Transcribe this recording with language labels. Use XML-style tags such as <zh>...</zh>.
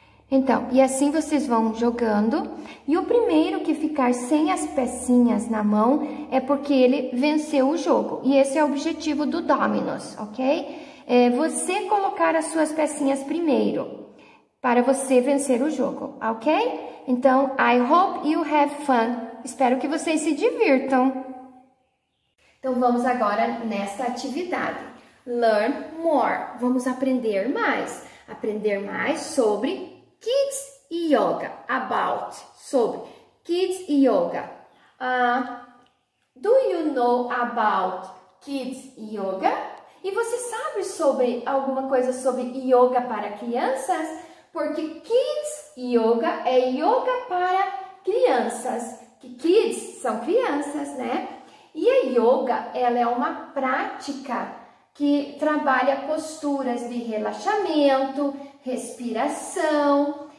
<pt>Então, e assim vocês vão jogando. E o primeiro que ficar sem as pecinhas na mão é porque ele venceu o jogo. E esse é o objetivo do Dominos, ok? É você colocar as suas pecinhas primeiro para você vencer o jogo, ok?</pt> <en>Então, I hope you have fun.</en> <pt>Espero que vocês se divirtam. Então, vamos agora nesta atividade.</pt> <en>Learn more.</en> <pt>Vamos aprender mais. Aprender mais sobre kids e yoga, about, sobre kids e yoga.</pt> <en>Do you know about kids e yoga?</en> <pt>E você sabe sobre alguma coisa sobre yoga para crianças? Porque kids yoga é yoga para crianças. Kids são crianças, né? E a yoga, ela é uma prática que trabalha posturas de relaxamento, respiração.</pt>